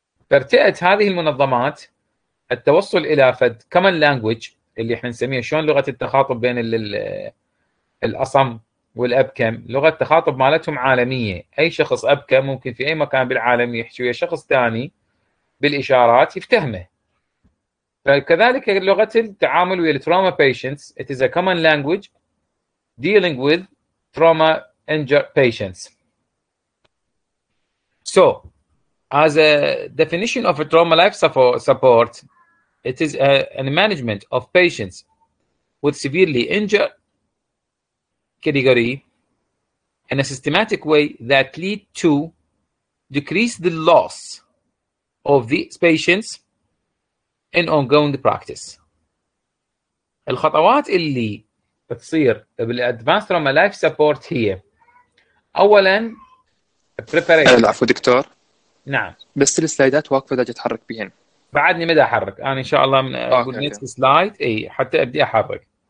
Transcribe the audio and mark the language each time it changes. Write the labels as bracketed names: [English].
[Arabic] فارتأت هذه المنظمات التوصل الى فد [English] common language [Arabic] اللي احنا نسميها شلون لغه التخاطب بين الاصم والابكم، لغه التخاطب مالتهم عالميه، اي شخص ابكم ممكن في اي مكان بالعالم يحكي ويا شخص ثاني بالاشارات يفتهمه. فكذلك لغه التعامل ويا [English] التروما patients, it is a common language dealing with trauma injured patients. So, as a definition of a trauma life support, it is a management of patients with severely injured category in a systematic way that lead to decrease the loss of these patients in ongoing practice. [Arabic] الخطوات اللي تصير بالادفانس تروما لايف سبورت هي اولا preparation. العفو دكتور. نعم بس السلايدات واقفه بدي اتحرك بهن بعدني مدى احرك انا ان شاء الله من [English] next [Arabic] سلايد اي حتى ابدي احرك.